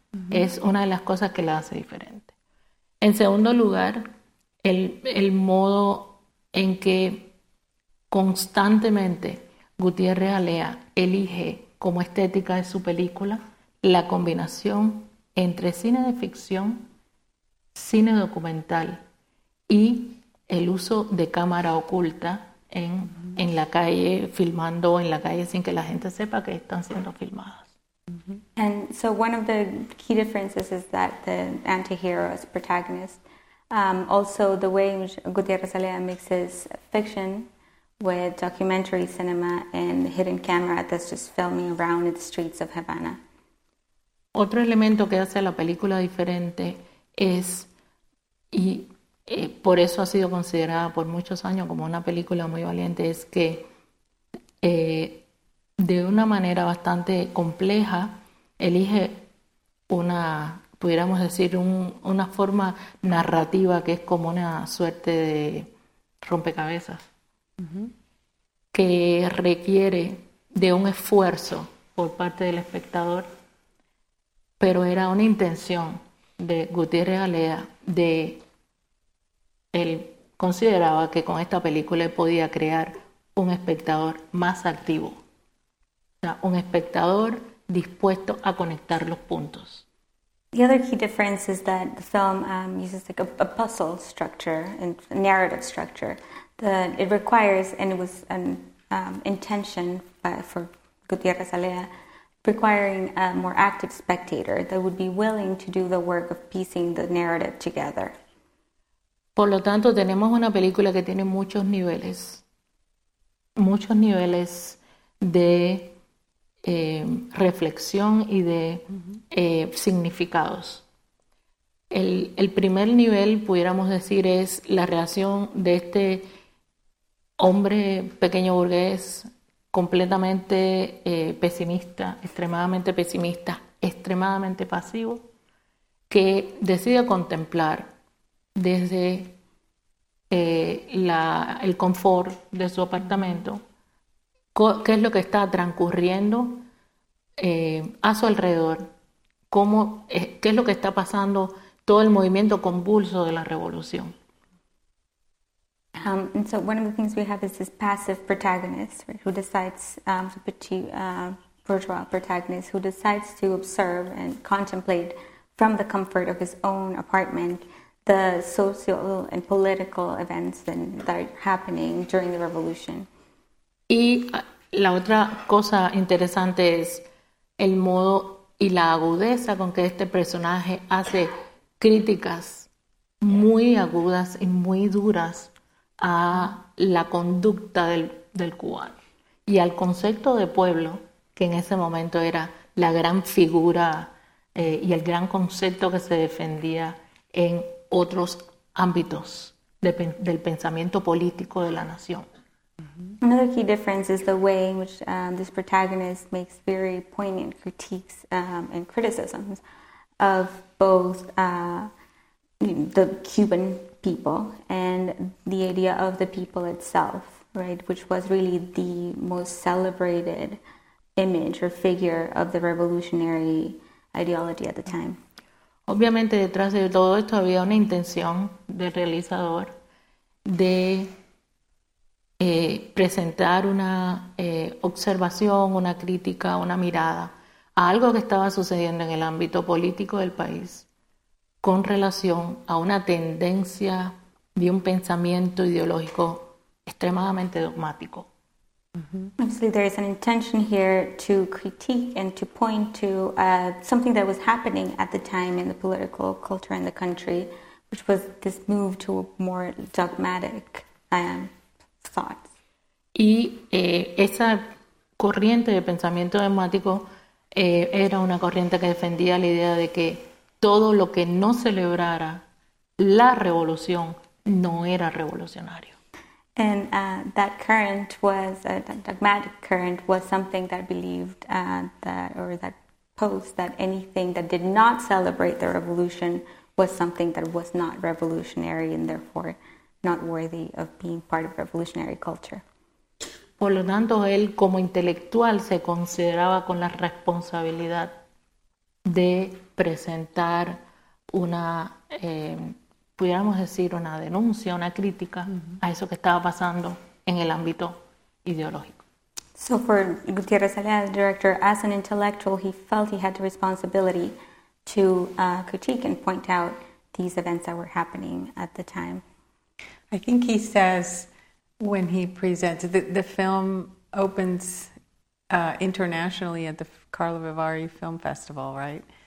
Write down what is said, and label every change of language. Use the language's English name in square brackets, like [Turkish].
[Spanish] Es una de las cosas que la hace diferente. En segundo lugar, el modo en que constantemente Gutiérrez Alea elige como estética de su película la combinación entre cine de ficción, cine documental y el uso de cámara oculta en la calle, filmando en la calle sin que la gente sepa que están siendo filmadas. Mm-hmm. [English] And so one of the key differences is that the anti-heroes, protagonist, also the way in which Gutierrez Alea mixes fiction with documentary cinema and hidden camera that's just filming around the streets of Havana. [Spanish] Otro elemento que hace a la película diferente es, y por eso ha sido considerada por muchos años como una película muy valiente, es que de una manera bastante compleja elige una, pudiéramos decir, una forma narrativa que es como una suerte de rompecabezas, que requiere de un esfuerzo por parte del espectador. Pero era una intención de Gutiérrez Alea de él consideraba que con esta película podía crear un espectador más activo, o sea, un espectador dispuesto a conectar los puntos. [English] The other key difference is that the film uses like a puzzle structure and narrative structure that it requires, and it was an intention for Gutiérrez Alea, requiring a more active spectator that would be willing to do the work of piecing the narrative together. [Spanish] Por lo tanto, tenemos una película que tiene muchos niveles de reflexión y de significados. El primer nivel, pudiéramos decir, es la reacción de este hombre pequeño burgués completamente pesimista, extremadamente pasivo, que decide contemplar desde el confort de su apartamento qué es lo que está transcurriendo a su alrededor, qué es lo que está pasando, todo el movimiento convulso de la revolución. [English] And so one of the things we have is this passive protagonist, right, who decides, virtual protagonist, who decides to observe and contemplate from the comfort of his own apartment the social and political events that are happening during the revolution. [Spanish] Y la otra cosa interesante es el modo y la agudeza con que este personaje hace críticas muy agudas y muy duras a la conducta del cubano y al concepto de pueblo, que en ese momento era la gran figura y el gran concepto que se defendía en otros ámbitos del pensamiento político de la nación. [English] Another key difference is the way in which this protagonist makes very poignant critiques and criticisms of both the Cuban people and the idea of the people itself, right, which was really the most celebrated image or figure of the revolutionary ideology at the time. [Spanish] Obviamente detrás de todo esto había una intención del realizador de presentar una observación, una crítica, una mirada a algo que estaba sucediendo en el ámbito político del país con relación a una tendencia de un pensamiento ideológico extremadamente dogmático. [English] Obviously, there is an intention here to critique and to point to something that was happening at the time in the political culture in the country, which was this move to more dogmatic thoughts. [Spanish] Y esa corriente de pensamiento dogmático era una corriente que defendía la idea de que todo lo que no celebrara la revolución no era revolucionario. [English] And that current was that dogmatic current was something that believed that posed that anything that did not celebrate the revolution was something that was not revolutionary and therefore not worthy of being part of revolutionary culture. [Spanish] Por lo tanto, él como intelectual se consideraba con la responsabilidad de presentar una, pudiéramos decir, una denuncia, una crítica a eso que estaba pasando en el ámbito ideológico. [English] So for Gutiérrez Alea, the director, as an intellectual, he felt he had the responsibility to critique and point out these events that were happening at the time. I think he says when he presents, the film opens internationally at the Carlo Vivari Film Festival, right?